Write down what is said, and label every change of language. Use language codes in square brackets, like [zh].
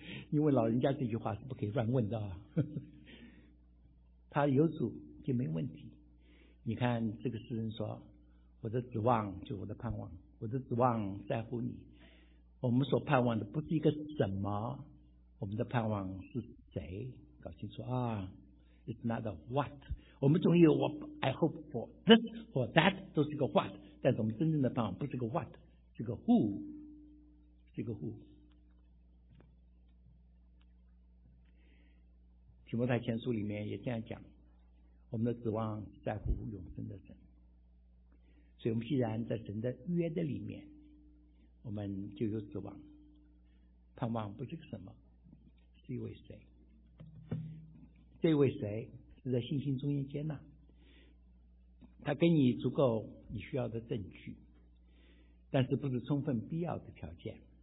[zh] 因为老人家这句话是不可以乱问的啊。他有主就没问题。你看这个诗人说，我的指望就是我的盼望，我的指望在乎你。我们所盼望的不是一个什么，我们的盼望是谁，搞清楚啊。 [en] It's not a what， [zh] 我们总有我 [en] I hope for this or that [zh] 都是一个 what， 但是我们真正的盼望不是个 what， 是个 who， 是个 who。提摩太前书里面也这样讲，我们的指望在乎永生的神。所以我们既然在神的约的里面，我们就有指望。盼望不是个什么，是一位谁。这位谁是在信心中间接纳，他给你足够你需要的证据，但是不是充分必要的条件。